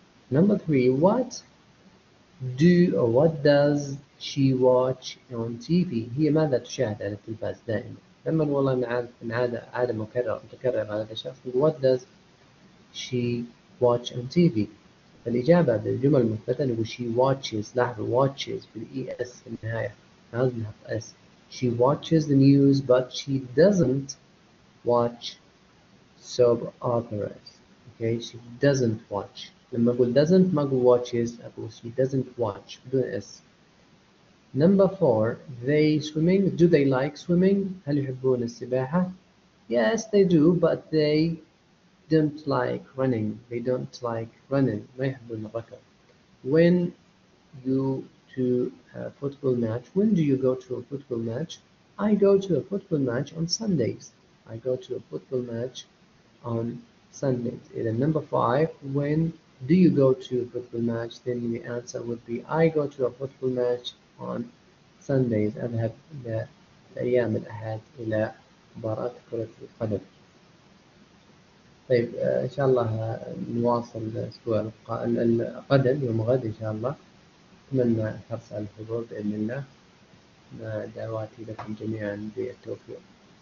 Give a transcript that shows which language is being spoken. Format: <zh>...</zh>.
<en>Number three, what do or what does she watch on TV?</en> <ar>هي ماذا تشاهد على التلفاز دائما؟ لما والله من عادة مكررة متكررة على هذا الشخص.</ar> <en>What does she watch on TV؟</en> <ar>الإجابة بالجمل المثبتة نقول</ar> <en>she watches،</en> <ar>لاحظ watches بالإي إس النهاية، لازم نحط إس.</ar> <en>She watches the news but she doesn't watch soap operas. Okay, she doesn't watch.</en> <ar>لما أقول</ar> <en>doesn't</en> <ar>ما أقول</ar> <en>watches، أقول she doesn't watch</en> <ar>بدون إس.</ar> <en>Number four, they swimming. Do they like swimming?</en> <ar>هل يحبون السباحة؟</ar> <en>Yes, they do, but they don't like running. They don't like running.</en> <ar>ما يحبون الركض.</ar> <en>When you to a football match, when do you go to a football match? I go to a football match on Sundays. I go to a football match on Sundays. And then number five, when do you go to a football match? Then the answer would be I go to a football match on Sundays.</en> <ar>أذهب إلى الأيام الأحد إلى مباراة كرة القدم. طيب إن شاء الله نواصل الأسبوع القادم يوم غد إن شاء الله. أتمنى حرص على الحضور بإذن الله. دعواتي لكم جميعا بالتوفيق.</ar>